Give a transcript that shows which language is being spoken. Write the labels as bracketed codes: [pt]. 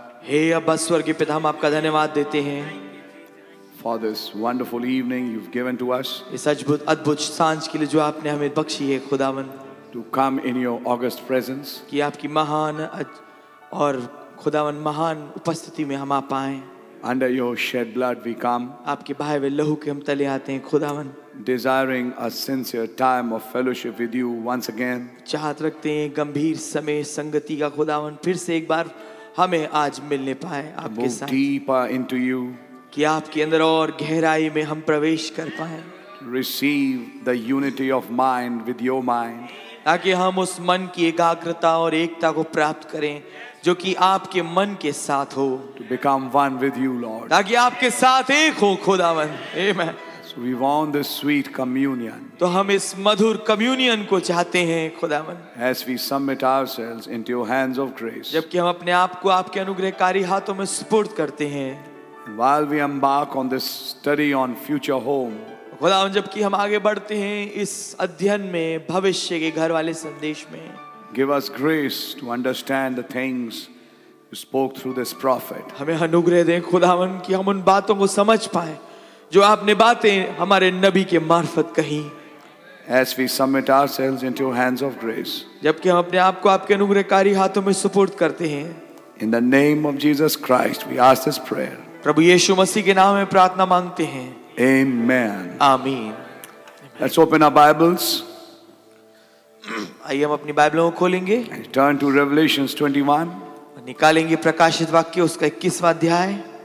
[hi] Hey, Abba, स्वर्गीय पिता, हम आपका धन्यवाद देते हैं. [en] For this wonderful evening you've given to us. [hi] इस अद्भुत सांझ के लिए जो आपने हमें बख्शी है खुदावन. [en] To come in your august presence. [hi] कि आपकी महान और खुदावन महान उपस्थिति में हम आ पाएं. [en] Under your shed blood we come. [hi] आपके बहाए हुए लहू के हम तले आते हैं खुदावन. [en] Desiring a sincere time of fellowship with you once again. [hi] चाहत रखते हैं गंभीर समय संगति का खुदावन. फिर से एक बार हमें आज मिलने पाए आपके साथ. [en] Deeper into you. [hi] कि आपके अंदर और गहराई में हम प्रवेश कर पाएं. [en] Receive the unity of mind with your mind. [hi] ताकि हम उस मन की एकाग्रता और एकता को प्राप्त करें जो कि आपके मन के साथ हो. [en] To become one with you, Lord. [hi] ताकि आपके साथ एक हो खुदावन. Amen. [en] So we want this sweet communion. [hi] तो हम इस मधुर कम्युनियन को चाहते हैं खुदावन. [en] As we submit ourselves into your hands of grace. [hi] जबकि हम अपने आप को आपके अनुग्रहकारी हाथों में सुपुर्द करते हैं. [en] While we embark on this study on future home. [hi] खुदावन जबकि हम आगे बढ़ते हैं इस अध्ययन में भविष्य के घर वाले संदेश में. [en] Give us grace to understand the things you spoke through this prophet. [hi] हमें अनुग्रह दें खुदावन कि हम उन बातों को समझ पाएं जो आपने बातें हमारे नबी के मार्फत कहीं. [en] As we submit ourselves into your hands of grace. [hi] जबकि हम अपने आप को आपके अनुग्रहकारी हाथों में सुपुर्द करते हैं. [en] In the name of Jesus Christ, we ask this prayer. [hi] प्रभु यीशु मसीह के नाम में प्रार्थना मांगते हैं. [en] Amen. [hi] आमीन. [en] Let's open our Bibles. [hi] आइए हम अपनी बाइबलों को खोलेंगे. [en] Turn to Revelations 21. [hi] निकालेंगे प्रकाशित वाक्य उसका 21वां अध्याय.